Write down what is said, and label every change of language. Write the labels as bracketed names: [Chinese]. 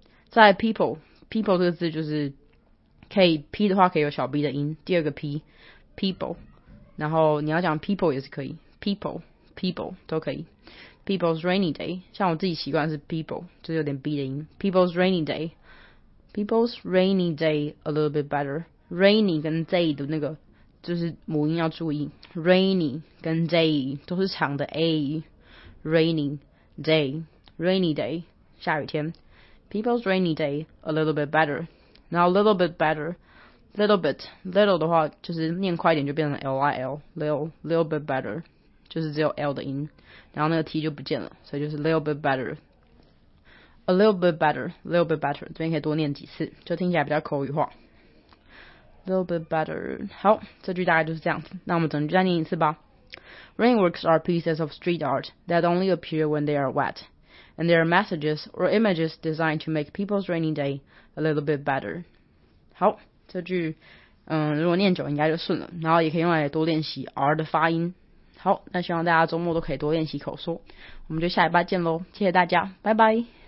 [Chinese] 在 people 这个字就是可以 p 的话可以有小 b 的音，第二个 people， 然后你要讲 people 也是可以 people 都可以 [English] people's rainy day， 像我自己习惯是 people 就是有点 b 的音 people's rainy day a little bit better。 [Chinese] rainy 跟 day 的那个就是母音要注意， rainy 跟 day 都是长的 a， rainy day 下雨天。 [English] People's rainy day a little bit better. Now a little bit better, little bit, little [Chinese] 的话就是念快一点就变成 [English] l i l, little bit better， [Chinese] 就是只有 l 的音，然后那个 t 就不见了，所以就是 [English] little bit better, a little bit better, [Chinese] little bit better， 这边可以多念几次，就听起来比较口语化。 [English] Little bit better， [Chinese] 好，这句大概就是这样子，那我们整句再念一次吧。 [English] Rainworks are pieces of street art that only appear when they are wet. And there are messages or images designed to make people's rainy day a little bit better. [Chinese] 好，这句，如果念久应该就顺了，然后也可以用来多练习 R 的发音。好，那希望大家周末都可以多练习口说。我们就下礼拜见咯，谢谢大家，拜拜。